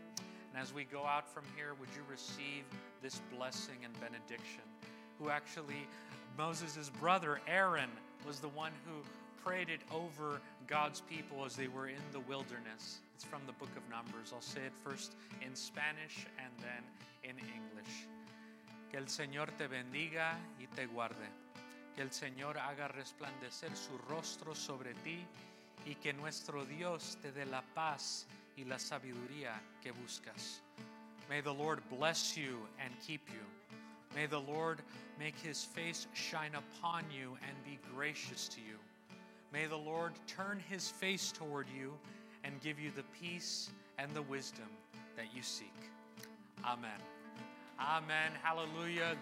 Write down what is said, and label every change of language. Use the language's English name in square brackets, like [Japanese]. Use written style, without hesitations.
[English] And as we go out from here, would you receive this blessing and benediction? Who actually, Moses' brother, Aaron, was the one who prayed it over God's people as they were in the wilderness. It's from the book of Numbers. I'll say it first in Spanish and then in English. [Spanish] Que el Señor te bendiga y te guarde. Que el Señor haga resplandecer su rostro sobre ti y que nuestro Dios te dé la paz y la sabiduría que buscas. [English] May the Lord bless you and keep you. May the Lord make his face shine upon you and be gracious to you. May the Lord turn his face toward you and give you the peace and the wisdom that you seek. Amen. Amen. Hallelujah.